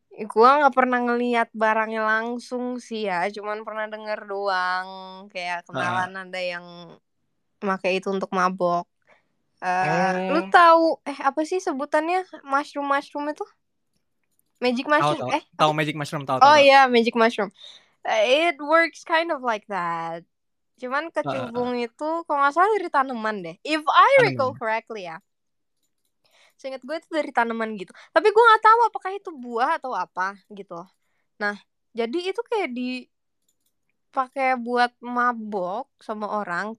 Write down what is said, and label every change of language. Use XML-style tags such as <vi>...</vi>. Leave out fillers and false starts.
<id>Gua nggak pernah ngelihat barangnya langsung sih ya, cuman pernah dengar doang. Kayak kenalan ada yang pakai itu untuk mabok. Lu tahu apa sih sebutannya mushroom itu?</id> <en>Magic mushroom?</en> <id>Tahu magic mushroom? Tahu? Oh iya, magic mushroom.</id> <en>It works kind of like that.</en> <id>Cuman kecubung itu kalau nggak salah dari tanaman deh. If I recall correctly ya. Seingat gue itu dari tanaman gitu. Tapi gue nggak tahu apakah itu buah atau apa gitu. Nah, jadi itu kayak dipakai buat mabok sama orang.</id>